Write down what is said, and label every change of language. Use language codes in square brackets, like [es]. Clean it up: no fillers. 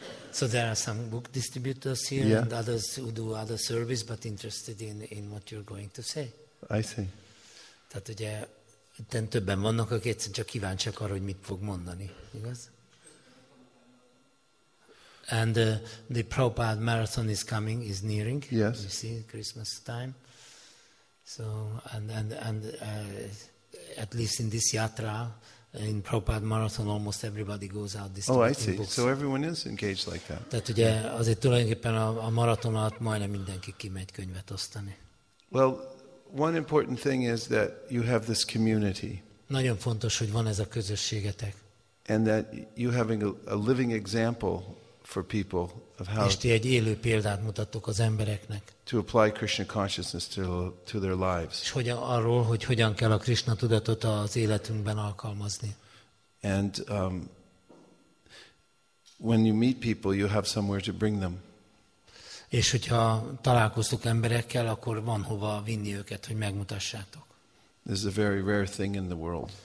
[en] So there are some book distributors here, yeah. And others who do other service, but interested in what you're going to say. I see. [hu] Tehát ugye többen vannak, akik egyszerűen csak kíváncsiak arra, hogy mit fog mondani, igaz? [en] And the Prabhupada marathon is coming, is nearing. Yes. You see, Christmas time. So and at least in this yatra, in Prabhupada marathon, almost everybody goes out distributing books. Oh, I see. So everyone is engaged like that. [hu] Tehát ugye azért tulajdonképpen a maraton alatt majdnem mindenki kimegy könyvet osztani. [en] Well, one important thing is that you have this community. [hu] Nagyon fontos, hogy van ez a közösségetek. [en] And that you having a living example for people of how [hu] ti egy élő példát mutattok az embereknek. [en] To apply Krishna consciousness to their lives. [hu] És hogy arról, hogy hogyan kell a Krishna tudatot az életünkben alkalmazni. [en] And when you meet people, you have somewhere to bring them. [hu] És hogyha találkoztok emberekkel, akkor van hova vinni őket, hogy megmutassátok. [en] This is a very rare thing in the world.